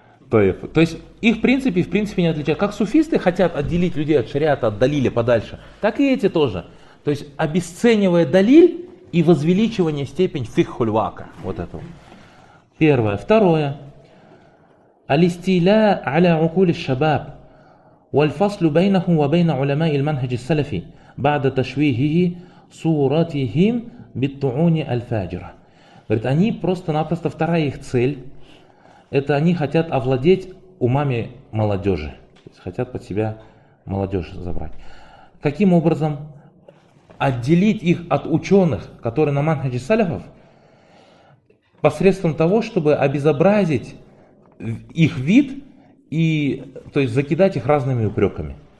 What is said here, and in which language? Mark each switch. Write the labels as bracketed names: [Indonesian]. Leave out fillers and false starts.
[Russian] То есть их в принципе не отличают. Как суфисты хотят отделить людей от шариата, от далили подальше, так и эти тоже. То есть обесценивая далиль и возвеличивание степень фикху аль-вака. Вот это первое. Второе. [Arabic] Алистиля аля укули шабаб. والفصل بينه وبين علماء المنهج السلفي بعد تشويهه صورتهم بالطعون الفاجرة. [Russian] Говорит, они просто-напросто, вторая их цель, это они хотят овладеть умами молодежи, то есть хотят под себя молодежь забрать. Каким образом отделить их от ученых, которые на манхаджи салифов, посредством того, чтобы обезобразить их вид и, то есть, закидать их разными упреками.